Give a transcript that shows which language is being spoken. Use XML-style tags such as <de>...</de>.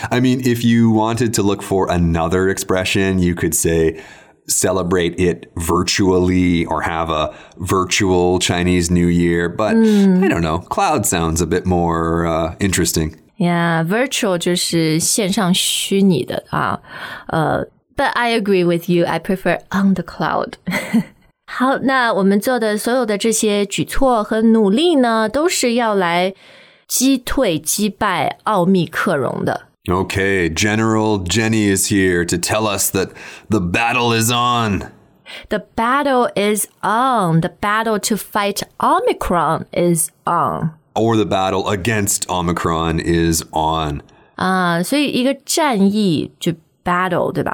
<en>I mean, if you wanted to look for another expression, you could say celebrate it virtually or have a virtual Chinese New Year, but I don't know, cloud sounds a bit more interesting.</en> <zh>Yeah, virtual 就是线上虚拟的啊。</zh> <en>But I agree with you, I prefer on the cloud.</en> <zh>好,那我们做的所有的这些举措和努力呢,都是要来击退击败奥密克戎的。</zh> <en>Okay, General Jenny is here to tell us that the battle is on. The battle is on. The battle to fight Omicron is on. Or the battle against Omicron is on.</en> <zh>所以一个战役就 battle, 对吧?</zh>